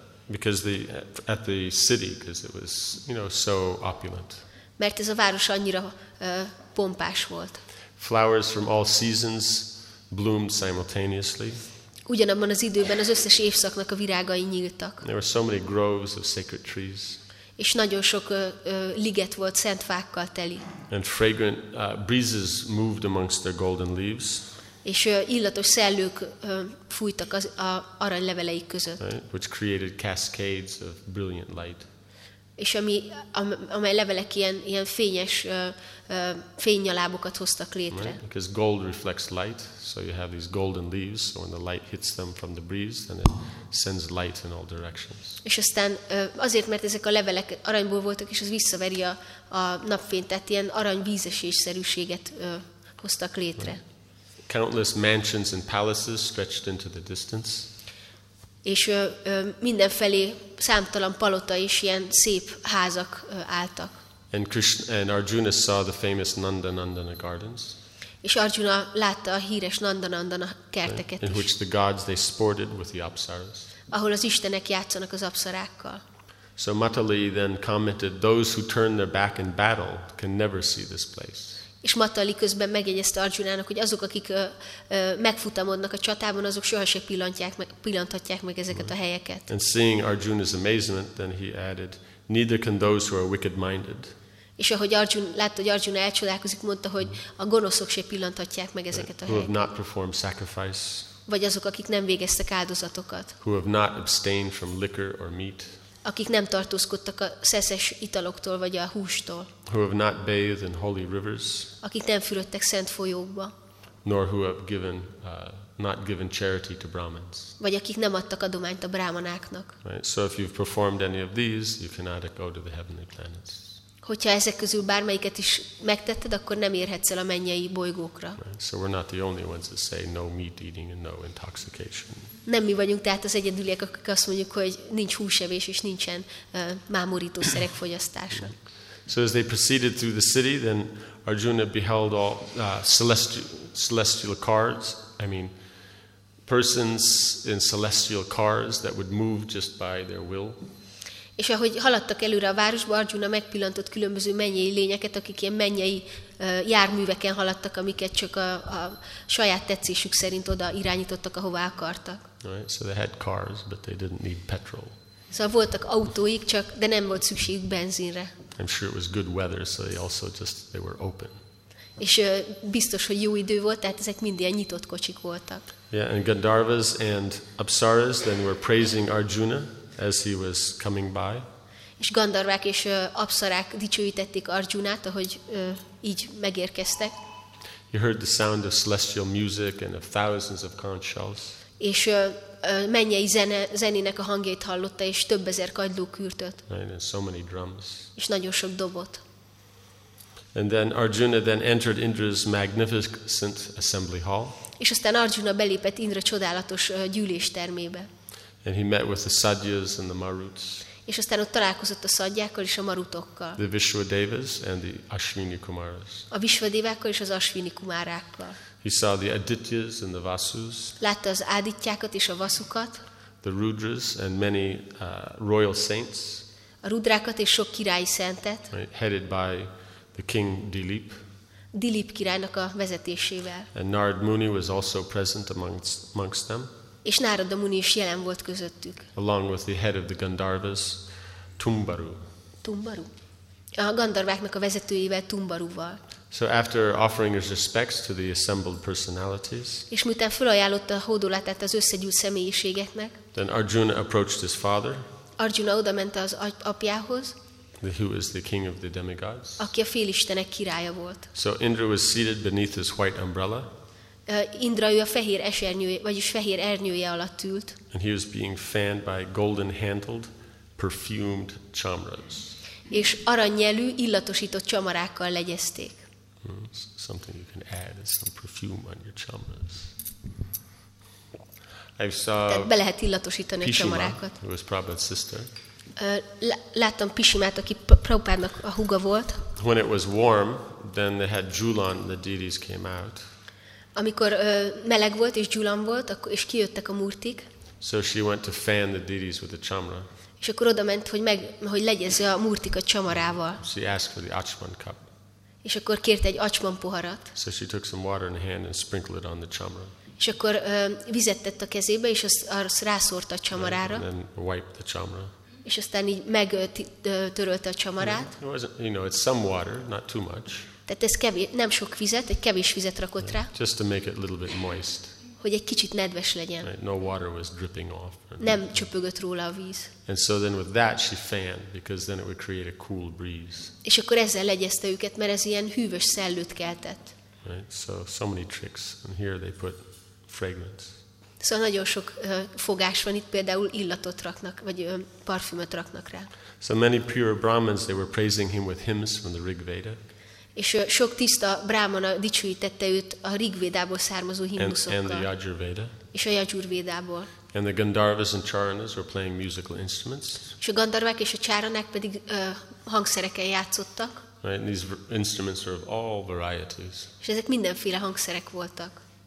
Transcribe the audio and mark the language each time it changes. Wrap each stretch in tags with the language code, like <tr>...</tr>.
<en>Because the at the city, because it was, you know, so opulent.</en> <hu>Mert ez a város annyira pompás volt.</hu> <en>Flowers from all seasons bloomed simultaneously.</en> <hu>Ugyanabban az időben az összes évszaknak a virágai nyíltak.</hu> <en>There were so many groves of sacred trees.</en> <hu>És nagyon sok liget volt szent fákkal teli.</hu> <en>And fragrant breezes moved amongst their golden leaves.</en> <hu>És illatos szellők fújtak a arany leveleik között.</hu> <en>Right, which created cascades of brilliant light.</en> <hu>És amely levelek ilyen fényes fénynyalábokat hoztak létre.</hu> <en>Right, because gold reflects light, so you have these golden leaves, so when the light hits them from the breeze, then it sends light in all directions.</en> <hu>És aztán azért, mert ezek a levelek aranyból voltak, és az visszaveri a napfényt, tehát ilyen arany vízesésszerűséget hoztak létre.</hu> <en>Right. Countless mansions and palaces stretched into the distance.</en> <hu>És mindenfelé számtalan palota és ilyen szép házak álltak.</hu> <en>And Krishna and Arjuna saw the famous Nanda Nandana gardens.</en> <hu>És Arjuna látta a híres Nandanandana kerteket</hu> <en>in which the gods they sported with the apsaras.</en> <hu>Ahol az istenek játszanak az apsarákkal.</hu> <en>So Matali then commented, those who turn their back in battle can never see this place.</en> <hu>És Matali közben megjegyezte Arjunának, hogy azok, akik megfutamodnak a csatában, azok sohasem pillanthatják meg ezeket a helyeket.</hu> <en>And seeing Arjuna's amazement, then he added, neither can those who are wicked-minded.</en> <hu>És ahogy Arjun látta, hogy Arjuna elcsodálkozik, mondta, hogy a gonoszok se pillanthatják meg ezeket a helyeket.</hu> <en>Who have not performed sacrifice.</en> <hu>Vagy azok, akik nem végeztek áldozatokat.</hu> <en>Who have not abstained from liquor or meat.</en> <hu>Akik nem tartózkodtak a szeszes italoktól vagy a hústól.</hu> <en>Who have not bathed in holy rivers.</en> <hu>Akik nem fürödtek szent folyókba.</hu> <en>Nor who have given not given charity to brahmins.</en> <hu>Vagy akik nem adtak adományt a brahmanáknak.</hu> <en>Right. So if you've performed any of these, you cannot go to the heavenly planets.</en> <hu>Hogyha ezek közül bármelyiket is megtetted, akkor nem érhetsz el a mennyei bolygókra.</hu> <en>Right. So we're not the only ones that say no meat eating and no intoxication.</en> <hu>Nem mi vagyunk tehát az egyedüliek, akik azt mondjuk, hogy nincs húsevés és nincsen mámorítószerek fogyasztása.</hu> <en>So as they proceeded through the city, then Arjuna beheld all celestial cars. I mean, persons in celestial cars that would move just by their will.</en> <hu>És ahogy haladtak előre a városba, Arjuna megpillantott különböző mennyei lényeket, akik ilyen mennyei járműveken haladtak, amiket csak a saját tetszésük szerint oda irányítottak, ahová akartak.</hu> <en>Right, so they had cars, but they didn't need petrol.</en> <hu>Szóval voltak autóik, csak de nem volt szükségük benzinre.</hu> <en>I'm sure it was good weather, so they also just they were open.</en> <hu>És biztos, hogy jó idő volt, tehát ezek mind ilyen nyitott kocsik voltak.</hu> <en>Yeah, and Gandharvas and Apsaras then were praising Arjuna as he was coming by.</en> <hu>És Gandharvák és Apsarák dicsőítették Arjunát, ahogy így megérkeztek.</hu> <en>He heard the sound of celestial music and of thousands of conch shells.</en> <hu>És mennyei zenének a hangjait hallotta, és több ezer kagylókürtöt.</hu> <en>And so many drums.</en> <hu>És nagyon sok dobot.</hu> <en>And then Arjuna then entered Indra's magnificent assembly hall.</en> <hu>És aztán Arjuna belépett Indra csodálatos gyűléstermébe.</hu> <en>And he met with the Sadyas and the Maruts.</en> <hu>És aztán ott találkozott a Sadyákkal és a Marutokkal.</hu> <en>The Vishvadevas and the Ashwini Kumaras.</en> <hu>A Vishvadevákkal és az Ashwini Kumárákkal.</hu> <en>He saw the Adityas and the Vasus.</en> <hu>Látta az Adityákat és a Vasukat.</hu> <en>The Rudras and many royal saints.</en> <hu>A Rudrákat és sok királyi szentet.</hu> <en>Right, headed by the king Dilip.</en> <hu>Dilip királynak a vezetésével.</hu> <en>And Narad Muni was also present amongst them.</en> <hu>És Narada Muni is jelen volt közöttük.</hu> <en>Along with the head of the Gandharvas, Tumbaru.</en> <hu>Tumbaru. A Gandharváknak a vezetőjével, Tumbaruval.</hu> <en>So after offering his respects to the assembled personalities.</en> <hu>És miután felajánlotta a hódolatát az összegyűlt személyiségeknek.</hu> <en>Then Arjuna approached his father.</en> <hu>Arjuna odament az apjához.</hu> <en>Who is the king of the demigods?</en> <hu>Aki a félistenek királya volt.</hu> <en>So Indra was seated beneath his white umbrella.</en> <hu>Indra ő a fehér esernyője, vagyis fehér ernyője alatt ült.</hu> <en>And he was being fanned by golden-handled, perfumed chamras.</en> <hu>És aranyjelű, illatosított csamarákkal legyezték.</hu> <en>Something you can add is some perfume on your chamras. I saw.</en> <hu>Tehát be lehet illatosítani</hu> <en>Pishima,</en> <hu>a csamarákat.</hu> <en>Who was Prabhupada's sister.</en> <hu>Láttam Pishimát, aki Prabhupádnak a húga volt.</hu> <en>When it was warm, then they had Julan, the deities came out.</en> <hu>Amikor meleg volt és Julan volt, és kijöttek a murtik.</hu> <en>So she went to fan the deities with the chamra.</en> <hu>És akkor oda ment, hogy legyezze a murtik a csamarával.</hu> <en>She asked for the Achman cup.</en> <hu>És akkor kérte egy Achman poharat.</hu> <en>So she took some water in hand and sprinkled it on the chamra.</en> <hu>És akkor vizet tett a kezébe, és azt rászórta a csamarára.</hu> <en>And then wiped the chamra.</en> <hu>És aztán így megtörölte a csamarát.</hu> <en>It was, you know, it's some water, not too much.</en> <hu>Tehát ez nem sok vizet, egy kevés vizet rakott rá.</hu> <en>Just to make it a little bit moist.</en> <hu>Hogy egy kicsit nedves legyen.</hu> <en>Right. No water was dripping off.</en> <hu>Nem csöpögött róla a víz.</hu> <en>And so then with that she fanned, because then it would create a cool breeze.</en> <hu>És akkor ezzel legyezte őket, mert ez ilyen hűvös szellőt keltett.</hu> <en>Right. So many tricks. And here they put fragrance.</en> <hu>Szóval nagyon sok fogás van itt, például illatot raknak, vagy parfümöt raknak rá.</hu> <en>So many pure brahmins, they were praising him with hymns from the Rig Veda.</en> <hu>És sok tiszta brámana dicsőítette őt a Rigvédából származó himnuszokkal.</hu> <en>And the Yajurveda.</en> <hu>És a Yajurvédából.</hu> <en>And the Gandharvas and Charanas were playing musical instruments.</en> <hu>És a Gandharvák és a Charanák pedig hangszereken játszottak.</hu> <en>Right, these instruments are of all varieties.</en> <hu>És ezek mindenféle hangszerek voltak.</hu>